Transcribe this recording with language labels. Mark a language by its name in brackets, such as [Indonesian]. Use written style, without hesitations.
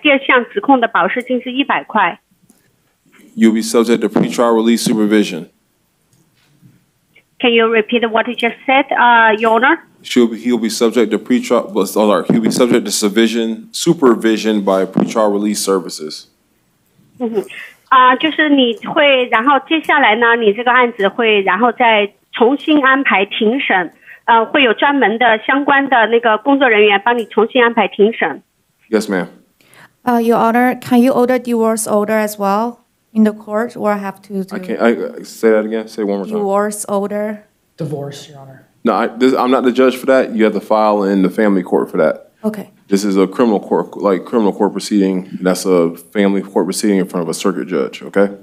[Chinese] 陈先生，就是你现在面临的指控呢，就是那个保释金，第一个指控保释金是500块，第二项指控的保释金是100块。 [English] You'll be subject to pretrial release supervision. Can you repeat what you just said, Your Honor? He'll be subject to pretrial. He'll be subject to supervision by pretrial release services. [Chinese] 就是你会，然后接下来呢，你这个案子会然后再重新安排庭审，会有专门的相关的那个工作人员帮你重新安排庭审。 [English] Yes, ma'am. Your Honor, can you order divorce order as well? In the court, where I have to do. Say it one more time. Divorce order. Divorce, Your Honor. No, I'm not the judge for that. You have to file in the family court for that. Okay. This is a criminal court proceeding. That's a family court proceeding in front of a circuit judge, okay?